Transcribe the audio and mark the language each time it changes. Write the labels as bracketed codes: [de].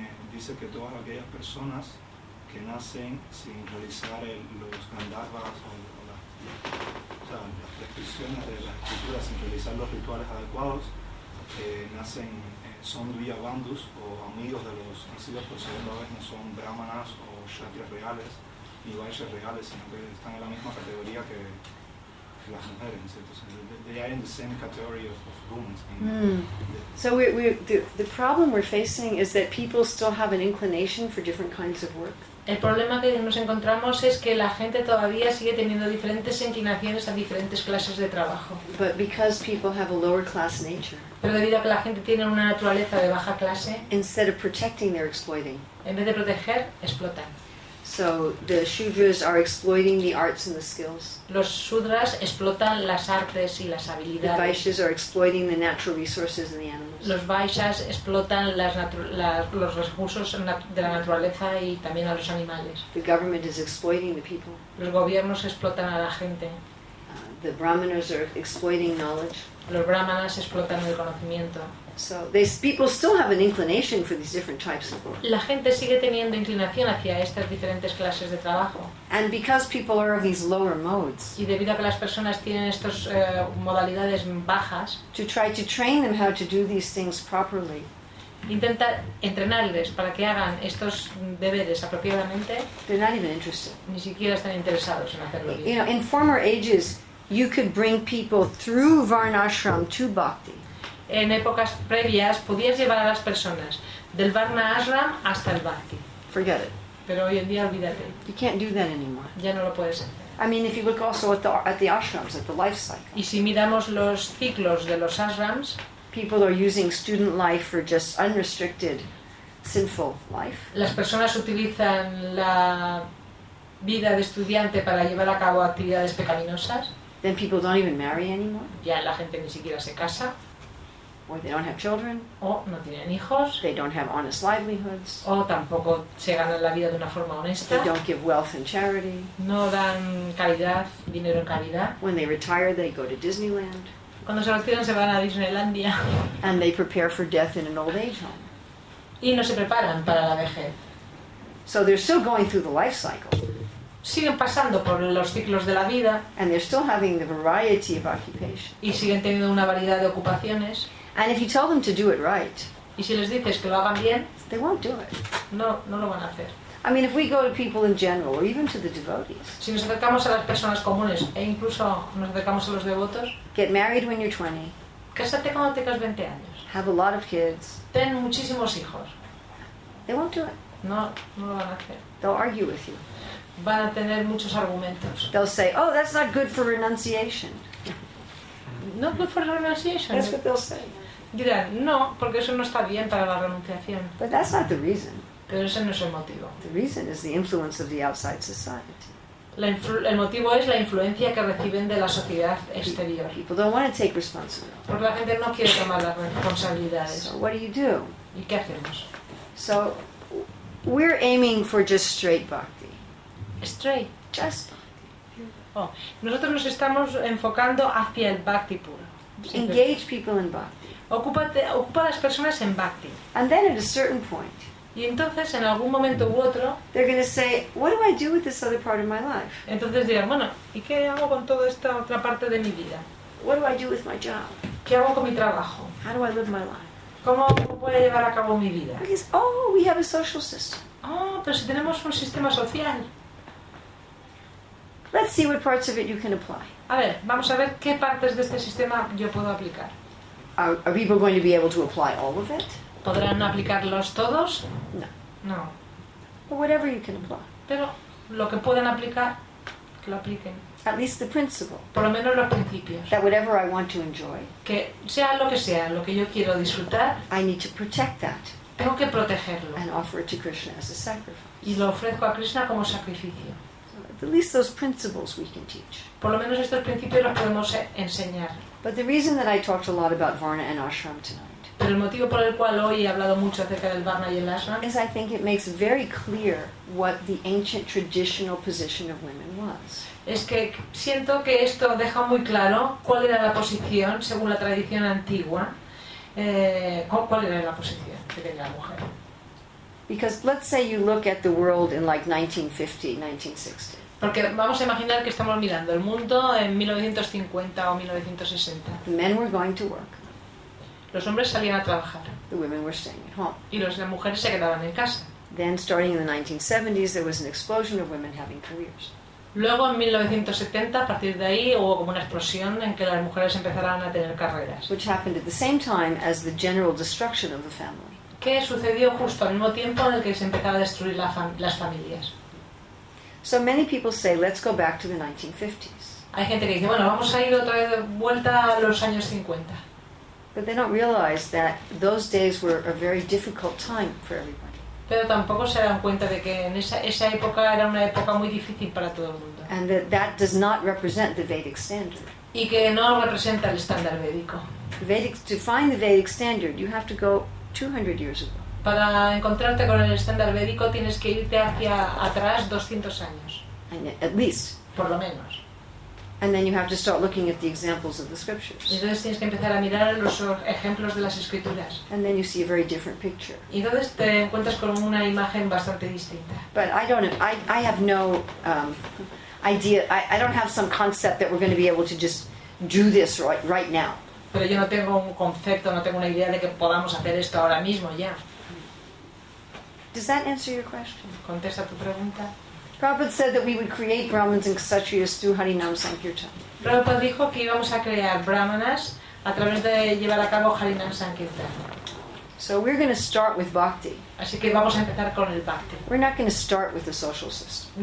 [es] dice que todas aquellas personas que nacen sin realizar los gandharvas o las prescripciones de las escrituras, sin realizar los rituales adecuados, nacen, son Vijayavandhus o amigos de los nacidos por segunda vez, no son brahmanas o kshatriyas reales ni vaishyas reales, sino que están en la misma categoría que las mujeres, en cierto sentido. [en] They are in the same category of women. So the problem we're facing is that people still have an inclination for different kinds of work. [es] El problema que nos encontramos es que la gente todavía sigue teniendo diferentes inclinaciones a diferentes clases de trabajo. [en] But because people have a lower class nature, [es] pero debido a que la gente tiene una naturaleza de baja clase, [en] instead of protecting, they're exploiting. [es] En vez de proteger, explotan. [en] So the shudras are exploiting the arts and the skills. [es] Los shudras explotan las artes y las habilidades. [en] The vaishyas are exploiting the natural resources and the animals. [es] Los vaishyas explotan los recursos de la naturaleza y también a los animales. [en] The government is exploiting the people. [es] Los gobiernos explotan a la gente. [en] The brahmanas are exploiting knowledge. [es] Los brahmanas explotan el conocimiento. [en] So these people still have an inclination for these different types of work. [es] La gente sigue teniendo inclinación hacia estas diferentes clases de trabajo. [en] And because people are of these lower modes. [es] Y debido a que las personas tienen estos modalidades bajas. [en] To try to train them how to do these things properly. [es] Intenta entrenarles para que hagan estos deberes apropiadamente. [en] They're not even interested. [es] Ni siquiera están interesados en hacerlo. [en] You know, in former ages, you could bring people through Varnashram to bhakti. [es] En épocas previas podías llevar a las personas del Varna Ashram hasta el Bhakti. [en] Forget it. [es] Pero hoy en día olvídate. [en] You can't do that anymore. [es] Ya no lo puedes hacer. [en] I mean, if you look also at the ashrams, at the life cycle. [es] Y si miramos los ciclos de los ashrams, [en] people are using student life for just unrestricted sinful life. [es] Las personas utilizan la vida de estudiante para llevar a cabo actividades pecaminosas. [en] Then people don't even marry anymore. [es] Ya la gente ni siquiera se casa. [en] Or they don't have children. [es] O no tienen hijos. [en] They don't have honest livelihoods. [es] O tampoco se ganan la vida de una forma honesta. [en] They don't give wealth and charity. [es] No dan caridad, dinero en caridad. [en] When they retire, they go to Disneyland. [es] Cuando se retiran, se van a Disneylandia. [en] And they prepare for death in an old age home. [es] Y no se preparan para la vejez. [en] So they're still going through the life cycle. [es] Siguen pasando por los ciclos de la vida. [en] And they're still having the variety of occupation. [es] Y siguen teniendo una variedad de ocupaciones. [en] And if you tell them to do it right, [es] y si les dices que lo hagan bien, [en] they won't do it. [es] No lo van a hacer. [en] I mean, if we go to people in general, or even to the devotees, [es] si nos acercamos a las personas comunes, e incluso nos acercamos a los devotos, [en] get married when you're 20, [es] cásate cuando tengas 20 años, [en] have a lot of kids, [es] ten muchísimos hijos, [en] they won't do it. [es] No lo van a hacer. [en] They'll argue with you. [es] Van a tener muchos argumentos. [en] They'll say, oh, that's not good for renunciation. Not good for renunciation. That's what they'll say. [es] Dirán, no, porque eso no está bien para la renunciación. [en] But that's not the reason. [es] Pero ese no es el motivo. [en] The reason is the influence of the outside society. [es] El motivo es la influencia que reciben de la sociedad exterior. [en] People don't want to take responsibility. [es] Porque la gente no quiere tomar las responsabilidades. [en] So what do you do? [es] ¿Y qué hacemos? [en] So, we're aiming for just straight bhakti. Straight? Just. [es] Oh, nosotros nos estamos enfocando hacia el bhakti puro. [en] Engage people in bhakti. [es] Ocupa a las personas en bhakti. [en] And then at a certain point, [es] Y entonces, en algún momento u otro, [en] they're going to say, what do I do with this other part of my life? [es] Entonces dirán, bueno, ¿y qué hago con toda esta otra parte de mi vida? [en] What do I do with my job? [es] ¿Qué hago con mi trabajo? [en] How do I live my life? [es] ¿Cómo puedo llevar a cabo mi vida? [en] Because, oh, we have a social system. [es] Oh, pero si tenemos un sistema social. [en] Let's see what parts of it you can apply. [es] A ver, vamos a ver qué partes de este sistema yo puedo aplicar. [en] Are people going to be able to apply all of it? [es] ¿Podrán aplicarlos todos? [en] No. [es] No. [en] But whatever you can apply. [es] Pero lo que puedan aplicar, que lo apliquen. [en] At least the principle. [es] Por lo menos los principios. [en] That whatever I want to enjoy. [es] Que sea, lo que yo quiero disfrutar. [en] I need to protect that. [es] Tengo que protegerlo. [en] And offer it to Krishna as a sacrifice. [es] Y lo ofrezco a Krishna como sacrificio. [en] At least those principles we can teach. [es] Por lo menos estos principios los podemos enseñar. [en] But the reason that I talked a lot about Varna and Ashram tonight. [es] Pero el motivo por el cual hoy he hablado mucho acerca del Varna y el Ashram. [en] Is I think it makes very clear what the ancient traditional position of women was. [es] Es que siento que esto deja muy claro cuál era la posición según la tradición antigua. ¿Cuál era la posición que tenía la mujer? [en] Because let's say you look at the world in like 1950, 1960. [es] Porque vamos a imaginar que estamos mirando el mundo en 1950 o 1960. [en] The men were going to work. [es] Los hombres salían a trabajar. [en] The women were staying at home. [es] Y las mujeres se quedaban en casa. [en] Then starting in the 1970s there was an explosion of women having careers. [es] Luego en 1970 a partir de ahí hubo como una explosión en que las mujeres empezaron a tener carreras. [en] Which happened at the same time as the general destruction of the family. [es] Que sucedió justo al mismo tiempo en el que se empezaba a destruir las familias. [en] So many people say, let's go back to the 1950s. [es] Hay gente que dice, bueno, vamos a ir otra vez de vuelta a los años 50. [en] But they don't realize that those days were a very difficult time for everybody. [es] Pero tampoco se dan cuenta de que en esa época era una época muy difícil para todo el mundo. [en] And that does not represent the Vedic standard. [es] Y que no representa el estándar védico. [en] To find the Vedic standard, you have to go 200 years ago. [es] Para encontrarte con el estándar védico tienes que irte hacia atrás 200 años. [en] At least. [es] Por lo menos. [en] And then you have to start looking at the examples of the scriptures. [es] Y entonces tienes que empezar a mirar los ejemplos de las escrituras. [en] And then you see a very different picture. [es] Y entonces te encuentras con una imagen bastante distinta. [en] But I don't have some concept that we're going to be able to just do this right now. [es] Pero yo no tengo un concepto, no tengo una idea de que podamos hacer esto ahora mismo ya. [en] Does that answer your question? [es] ¿Contesta tu pregunta? [en] Prabhupada said that we would create Brahmins and Kshatriyas through Harinam Sankirtan. [es] Prabhupada dijo que íbamos a crear Brahmanas a través de llevar a cabo Harinam Sankirtan. [en] So we're going to start with bhakti. [es] Así que vamos a empezar con el bhakti. [en] We're not going to start with the social system.